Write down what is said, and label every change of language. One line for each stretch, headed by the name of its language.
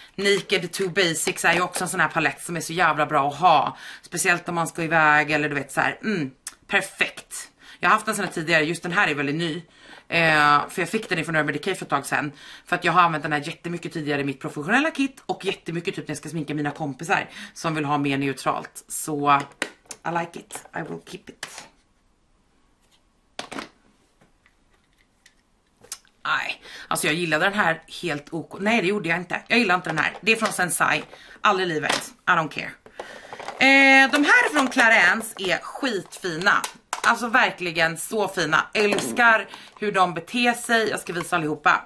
Swedish: Naked 2 Basics är ju också en sån här palett som är så jävla bra att ha. Speciellt om man ska iväg eller du vet så här. Perfekt. Jag har haft en sån här tidigare, just den här är väldigt ny. För jag fick den ifrån Urban Decay för ett tag sedan. För att jag har använt den här jättemycket tidigare i mitt professionella kit. Och jättemycket typ när jag ska sminka mina kompisar som vill ha mer neutralt. Så,
English: I like it, I will keep it.
Swedish: Nej, alltså jag gillade den här helt ok. Nej, det gjorde jag inte. Jag gillar inte den här. Det är från Sensai. Aldrig livet.
English: I don't care.
Swedish: De här från Clarins är skitfina. Alltså verkligen så fina. Älskar hur de beter sig. Jag ska visa allihopa.